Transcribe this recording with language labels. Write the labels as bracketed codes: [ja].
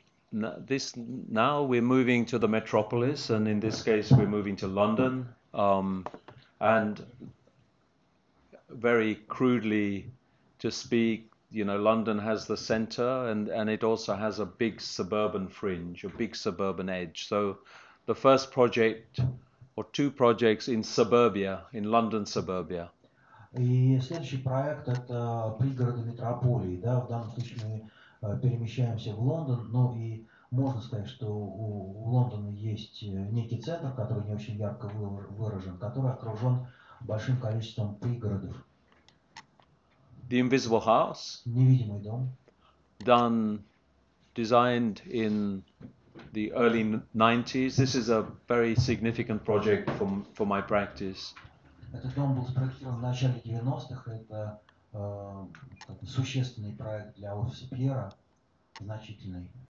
[en] Now we're moving to the metropolis, and in this case we're moving to London, and very crudely to speak, you know, London has the center and it also has a big suburban fringe, a big suburban edge. So the first project or two projects in suburbia, in London suburbia. [ru] И следующий проект это пригороды метрополии, да, в данном случае мы перемещаемся в Лондон, но и можно сказать, что у Лондона есть некий центр, который не очень ярко выражен, который окружен большим количеством пригородов. [en] The Invisible House, [ru] Невидимый дом, [en] done, designed in the early 90s. This is a very significant project for my practice. [ru] Этот дом был спроектирован в начале 90-х. Это существенный проект для офиса Пьера, значительный.